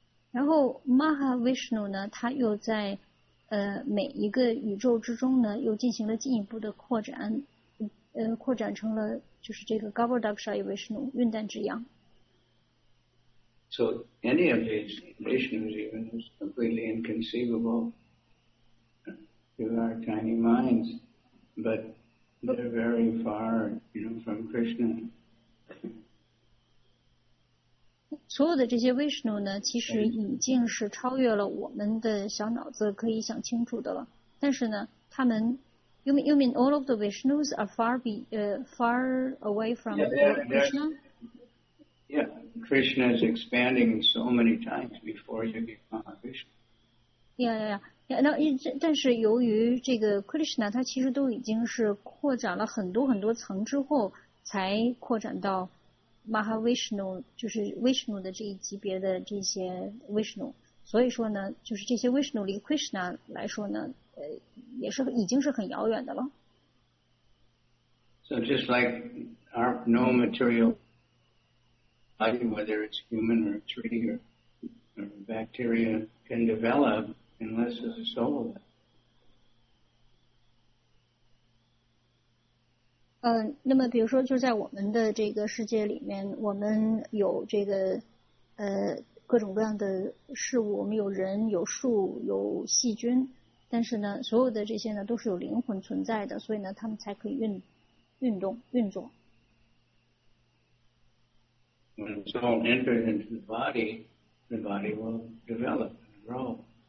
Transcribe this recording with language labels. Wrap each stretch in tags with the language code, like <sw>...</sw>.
<zh>然后 Mahavishnu 呢，他又在每一个宇宙之中呢，又进行了进一步的扩展，扩展成了就是这个 Garbhadakasha Vishnu 运旦之阳。</zh> <en>So any of these Vishnus even is completely inconceivable to our tiny minds, but they're very far, you know, from Krishna.</en> <zh>所有的这些 Vishnu 呢，其实已经是超越了我们的小脑子可以想清楚的了。但是呢，他们</zh> <en>you mean all of the Vishnus are far away from Krishna? Yeah, Krishna is expanding so many times before you become a Vishnu.</en> <zh>Yeah. 那但是由于这个 Krishna 他其实都已经是扩展了很多很多层之后才扩展到 Mahavishnu 就是 Vishnu 的这一级别的这些 Vishnu 所以说呢就是这些 Vishnu 离 Krishna 来说呢也是已经是很遥远的了</zh> <en>So just like our no material body whether it's human or tree or bacteria can developUnless there's a soul there.</en> <zh>那么比如说就在我们的这个世界里面，我们有这个各种各样的事物，我们有人、有树、有细菌，但是呢，所有的这些呢都是有灵魂存在的，所以呢，他们才可以运作。</zh> <en>When the soul enters into the body will develop and grow.</en>